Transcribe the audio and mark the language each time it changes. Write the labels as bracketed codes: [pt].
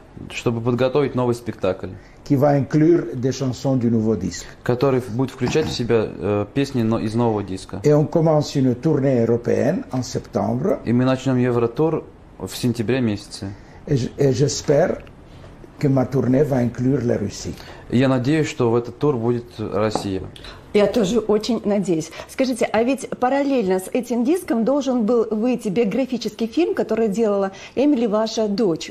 [ru] чтобы подготовить новый спектакль, [fr] qui va inclure des chansons du nouveau disque. [ru] Который будет включать в себя песни из нового диска. [fr] Et on commence une tournée européenne en septembre. [ru] И мы начнем евротур в сентябре месяце. [fr] Et j'espère que ma tournée va inclure la Russie. [ru] Я надеюсь, что в этот тур будет Россия. Я тоже очень надеюсь. Скажите, а ведь параллельно с этим диском должен был выйти биографический фильм, который делала Эмили, ваша дочь.